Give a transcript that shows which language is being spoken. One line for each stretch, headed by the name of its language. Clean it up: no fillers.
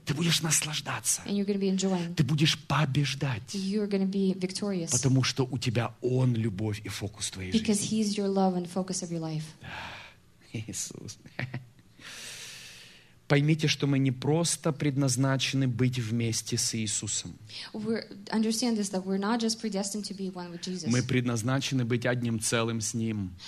Russian: Ты будешь наслаждаться.
English: And you're gonna be enjoying.
Russian: Ты будешь побеждать.
English: You're gonna be victorious.
Russian: Потому что у тебя Он — любовь и фокус твоей жизни.
English: Because he's your love and focus of your life.
Russian: Иисус. Поймите, что мы не просто предназначены быть вместе с Иисусом. Мы предназначены быть одним целым с Ним.